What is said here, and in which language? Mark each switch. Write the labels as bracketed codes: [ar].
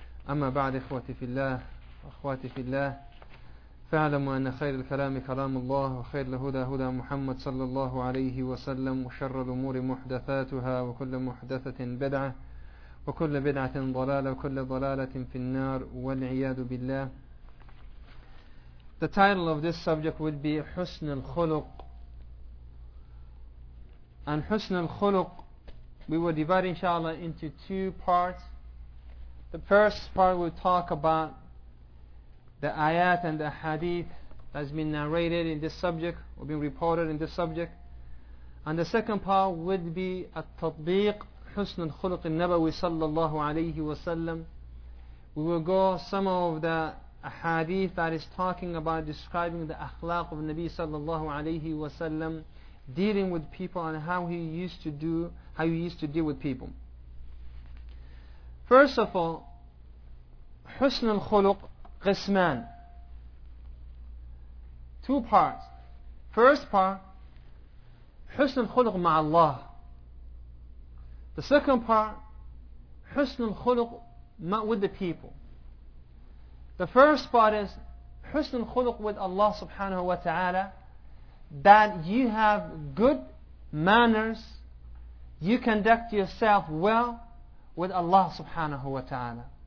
[ar] أما بعد، أخواتي في الله، فاعلموا أن خير الكلام كلام الله، وخير الهدى هدى محمد صلى الله عليه وسلم، وشر الأمور محدثاتها، وكل محدثة بدعة، وكل بدعة ضلالة، وكل ضلالة في النار، والعياذ بالله. [en] The title of this subject would be حسن الخلق. And حسن الخلق, we will divide inshallah into two parts. The first part we'll talk about the ayat and the hadith has been narrated in this subject or been reported in this subject. And the second part would be [ar] التطبيق حسن الخلق النبوي صلى الله عليه وسلم. [en] We will go some of the hadith that is talking about describing the akhlaq of Nabi صلى الله عليه وسلم, dealing with people and how he used to deal with people. First of all, [ar] حسن الخلق قسمان, [en] two parts. First part, [ar] حسن الخلق مع الله. [en] The second part, حسن الخلق with the people. The first part is حسن الخلق with Allah subhanahu wa ta'ala, that you have good manners, you conduct yourself well with Allah subhanahu wa ta'ala.